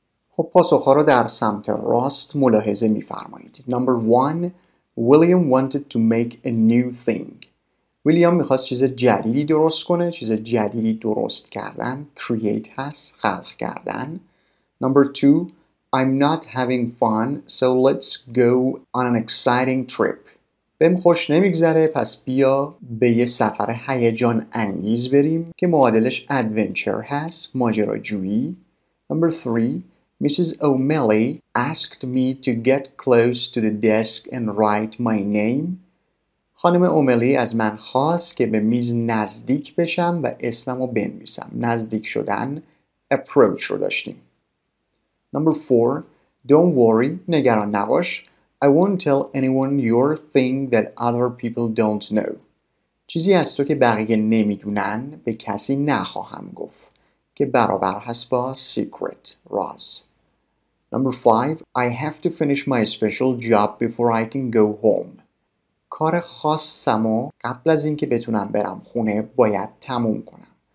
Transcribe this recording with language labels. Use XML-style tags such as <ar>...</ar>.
<fa>خب پاسخ ها رو در سمت راست ملاحظه می فرمایید.</fa> <en>number 1 William wanted to make a new thing.</en> <fa>William می خواست چیز جدیدی درست کنه. چیز جدیدی درست کردن create هست، خلق کردن.</fa> <en>number 2 I'm not having fun, so let's go on an exciting trip.</en> <fa>بهم خوش نمیگذره، پس بیا به یه سفر هیجان انگیز بریم که معادلش adventure هست، ماجراجویی.</fa> <en>Number 3. Mrs. O'Malley asked me to get close to the desk and write my name.</en> <fa>خانم اوملی از من خواست که به میز نزدیک بشم و اسممو بنویسم. نزدیک شدن approach رو داشتیم.</fa> <en>Number 4. Don't worry.</en> <fa>نگران نباش.</fa> <en>I won't tell anyone your thing that other people don't know.</en> <fa>چیزی از تو که بقیه نمیدونن به کسی نخواهم گفت که برابر هست با secret. راز.</fa> <en>Number 5. I have to finish my special job before I can go home.</en> <fa>کار خاصم رو قبل از اینکه بتونم برم خونه باید تموم کنم.</fa>